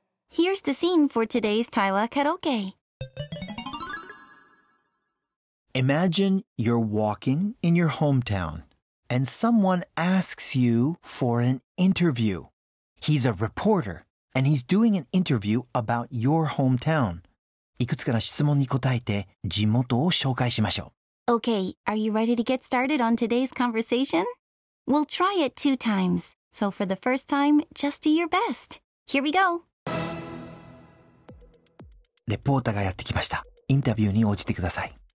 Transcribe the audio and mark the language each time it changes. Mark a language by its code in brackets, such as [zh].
[en] Here's the scene for today's 対話カラオケ. Imagine you're walking in your hometown, and someone asks you for an interview. He's a reporter, and he's doing an interview about your hometown. [ja] いくつかの質問に答えて地元を紹介しましょう。 [en] Okay, are you ready to get started on today's conversation? We'll try it 2 times. So for the first time, just do your best. Here we go. [ja] レポーターがやってきました。インタビューに応じてください。